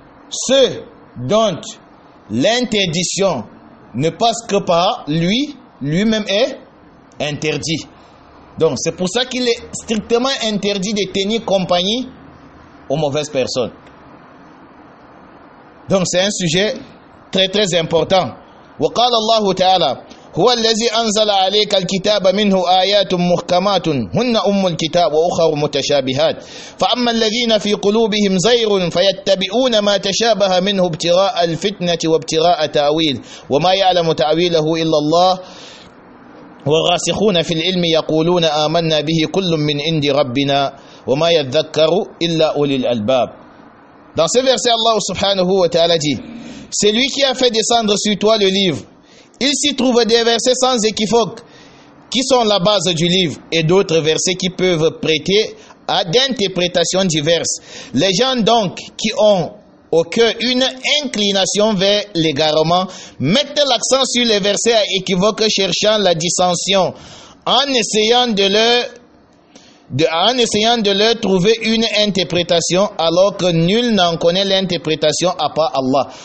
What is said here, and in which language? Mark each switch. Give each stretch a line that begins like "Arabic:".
French: Ce dont l'interdiction ne passe que par lui-même est interdit. Donc c'est pour ça qu'il est strictement interdit de tenir compagnie aux mauvaises personnes. Donc c'est un sujet très très important.
Arabic: Wa qala Allah ta'ala: هو الذي أنزل عليك الكتاب منه آيات محكمات هن أم الكتاب وأخر متشابهات فأما الذين في قلوبهم زيغ فيتبعون ما تشابه منه ابتغاء الفتنة وابتغاء تأويل وما يعلم تأويله إلا الله والراسخون في العلم يقولون آمنا به كل من عند ربنا وما يذكر إلا أولي الألباب.
French: Dans ce verset, Allah subhanahu wa ta'ala dit: Celui qui a fait descendre sur toi le livre, il s'y trouve des versets sans équivoque qui sont la base du livre et d'autres versets qui peuvent prêter à d'interprétations diverses. Les gens donc qui ont au cœur une inclination vers l'égarement mettent l'accent sur les versets à équivoque cherchant la dissension en essayant de leur trouver une interprétation alors que nul n'en connaît l'interprétation à part Allah.